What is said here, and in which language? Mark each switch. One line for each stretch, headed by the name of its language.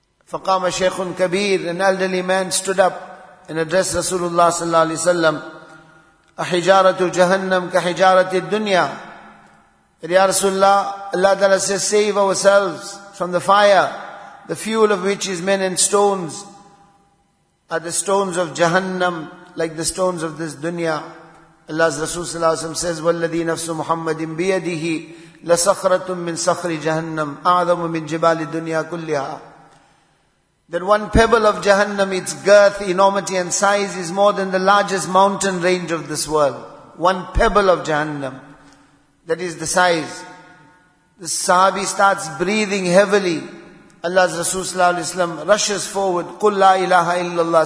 Arabic: فَقَامَ شَيْخٌ كَبِيرٌ,
English: an elderly man stood up and addressed Rasulullah sallallahu alayhi wa sallam,
Arabic: أَحِجَارَةُ جَهَنَّمْ كَحِجَارَةِ الدُّنْيَا.
English: Ya Rasulullah, Allah Ta'ala says, save ourselves from the fire, the fuel of which is men and stones, are the stones of Jahannam, like the stones of this dunya. Allah's Rasul sallallahu alayhi wa sallam says,
Arabic: وَالَّذِي نَفْسُ مُحَمَّدٍ بِيَدِهِ لَسَخْرَةٌ مِّن سَخْرِ جَهَنَّمْ أَعْظَمُ مِّن جِبَالِ الدُّنْيَا كُلِّهَا.
English: That one pebble of Jahannam, its girth, enormity and size is more than the largest mountain range of this world. One pebble of Jahannam, that is the size. The Sahabi starts breathing heavily. Allah's Rasul sallallahu alayhi wa sallam rushes forward.
Arabic: قُلْ لَا إِلَهَ إِلَّا اللَّهِ.